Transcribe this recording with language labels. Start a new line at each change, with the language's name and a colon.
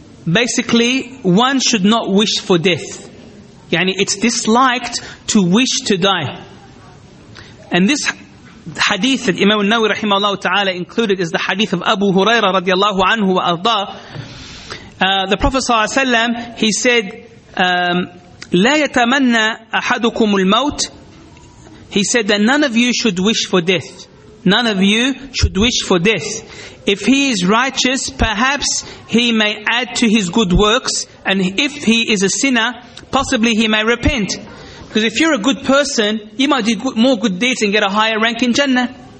English: Basically, one should not wish for death. Yani, it's disliked to wish to die. And this hadith that Imam al-Nawawi rahimahullah ta'ala included is the hadith of Abu Huraira radiallahu anhu wa arda. the Prophet صلى الله عليه وسلم, he said,
Arabic: لا يتمنى أحدكم الموت.
English: He said that none of you should wish for death. None of you should wish for death. If he is righteous, perhaps he may add to his good works. And if he is a sinner, possibly he may repent. Because if you're a good person, you might do more good deeds and get a higher rank in Jannah.